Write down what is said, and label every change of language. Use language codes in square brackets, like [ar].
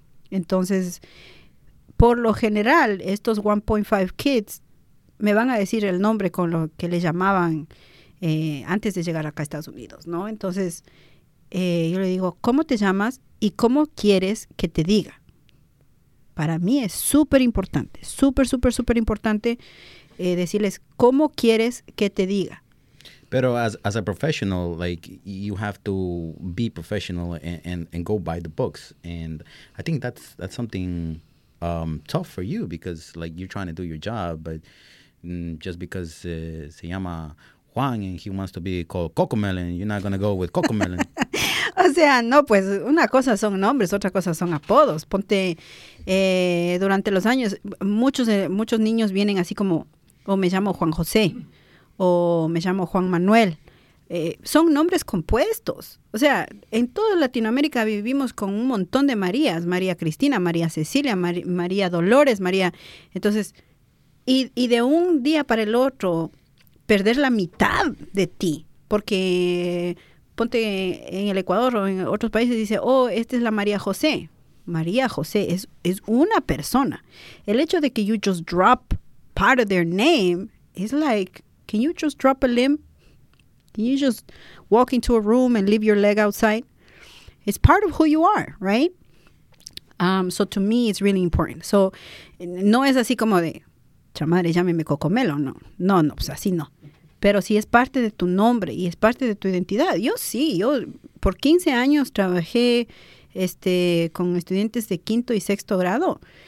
[es] Entonces, por lo general, estos 1.5 kids me van a decir el nombre con lo que le llamaban antes de llegar acá a Estados Unidos, ¿no? Entonces, yo le digo, ¿cómo te llamas y cómo quieres que te diga? Para mí es súper importante, súper, súper, súper importante decirles cómo quieres que te diga. [en] Pero as a professional, like, you have to be professional and go by the books. And I think that's something tough for you, because, like, you're trying to do your job, but just because [es] se llama Juan [en] and he wants to be called Cocomelon, you're not going to go with Cocomelon. [es] O sea, no, pues, una cosa son nombres, otra cosa son apodos. Ponte, durante los años, muchos niños vienen así como, me llamo Juan José, o me llamo Juan Manuel. Son nombres compuestos. O sea, en toda Latinoamérica vivimos con un montón de Marías. María Cristina, María Cecilia, María Dolores, María... Entonces, y de un día para el otro, perder la mitad de ti. Porque, ponte en el Ecuador o en otros países, dice, esta es la María José. María José es una persona. El hecho de que [en] you just drop part of their name is like... Can you just drop a limb? Can you just walk into a room and leave your leg outside? It's part of who you are, right? So to me, it's really important. [es] So no es así como de, chamadre, llámeme Cocomelo. No, no, no, pues así no. Pero si es parte de tu nombre y es parte de tu identidad. Yo sí, yo por 15 años trabajé con estudiantes de quinto y sexto grado.